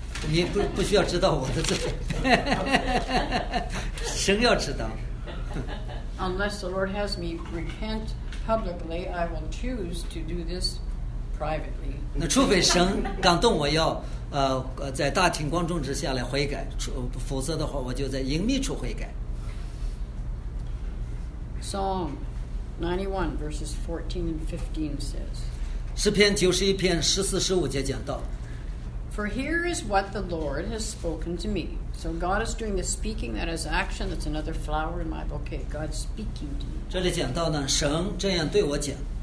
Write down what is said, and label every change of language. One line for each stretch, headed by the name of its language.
Chinese: 你不需要知道我的罪，神要知道。
English: Unless the Lord has me repent publicly, I will choose to do this privately.
Chinese: 那除非神感动我要在大庭广众之下来悔改，否则的话我就在隐秘处悔改。
English: Psalm 91 verses 14 and 15 says.
Chinese: 诗篇91篇14-15节讲到。
English: For here is what the Lord has spoken to me. So God is doing the speaking, that is action, that's another flower in my bouquet. God's speaking to me.
Chinese: 这里讲到呢，神这样对我讲。